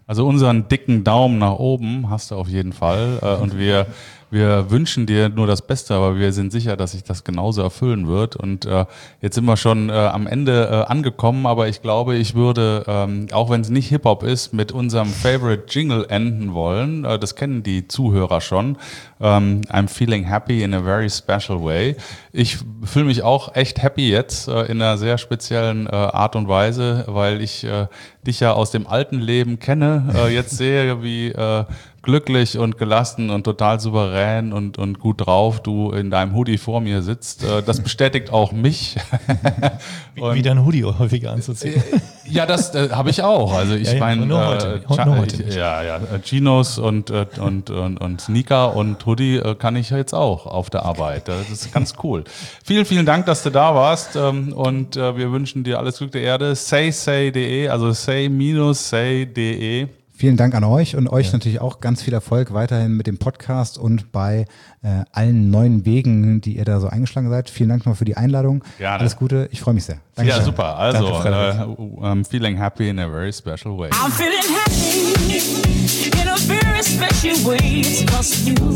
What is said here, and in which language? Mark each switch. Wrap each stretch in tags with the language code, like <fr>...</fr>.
<de>Also unseren dicken Daumen nach oben hast du auf jeden Fall. Und wir wir wünschen dir nur das Beste, aber wir sind sicher, dass sich das genauso erfüllen wird. Und jetzt sind wir schon am Ende angekommen, aber ich glaube, ich würde, auch wenn es nicht Hip-Hop ist, mit unserem Favorite Jingle enden wollen. Das kennen die Zuhörer schon.</de> <en>I'm feeling happy in a very special way.</en> <de>Ich fühle mich auch echt happy jetzt in einer sehr speziellen Art und Weise, weil ich dich ja aus dem alten Leben kenne, jetzt sehe, wie glücklich und gelassen und total souverän und gut drauf du in deinem Hoodie vor mir sitzt. Das bestätigt auch mich. Wie dein Hoodie häufiger anzuziehen. Ja, das habe ich auch. Also ich meine, Chinos und Sneaker und Hoodie kann ich jetzt auch auf der Arbeit. Das ist ganz cool. Vielen, vielen Dank, dass du da warst und wir wünschen dir alles Glück der Erde. Say.de, also say-say.de. Vielen Dank an euch und euch natürlich auch ganz viel Erfolg weiterhin mit dem Podcast und bei allen neuen Wegen, die ihr da so eingeschlagen seid. Vielen Dank nochmal für die Einladung. Gerne. Alles Gute, ich freue mich sehr. Danke. Ja, super. Also, danke,</de> <en>I'm feeling happy in a very special way. I'm feeling happy in a very special way. It's 'cause you.</en>